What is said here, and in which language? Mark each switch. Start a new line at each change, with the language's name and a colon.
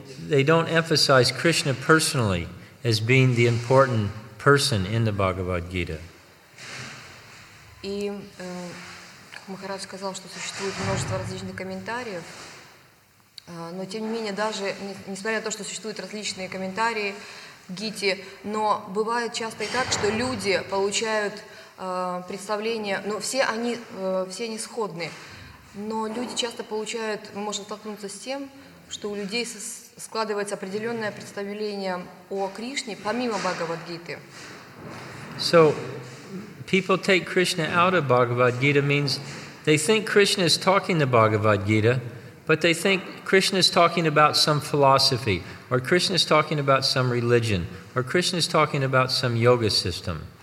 English: They don't emphasize Krishna personally as being the important person in the Bhagavad Gita.
Russian: И Махарадж сказал, что существует множество различных комментариев, но тем не менее даже несмотря на то, что существуют различные комментарии Гите, но бывает часто и так, что люди получают представление, но все они сходны, но люди часто получают, мы можем столкнуться с тем, что у людей складывается определенное представление о Кришне помимо Бхагавад-гиты.
English: So, people take Krishna out of Bhagavad-гита means they think Krishna is talking to Bhagavad-гита, but they think Krishna is talking about some philosophy, or Krishna is talking about some religion, or Krishna is talking about some yoga system.